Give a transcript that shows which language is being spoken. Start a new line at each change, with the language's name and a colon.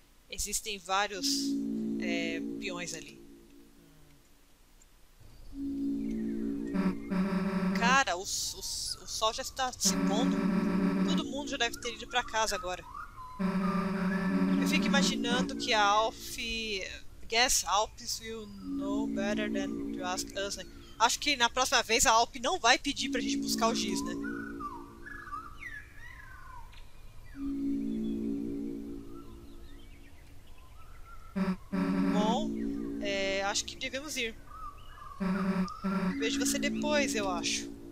Portuguese: Existem vários peões ali. Cara, o sol já está se pondo. Todo mundo já deve ter ido pra casa agora. Eu fico imaginando que a Alf...
English: I guess Alps will know better than to ask us, né?
Portuguese: Acho que na próxima vez a Alp não vai pedir pra gente buscar o giz, né? Bom, acho que devemos ir. Vejo você depois, eu acho.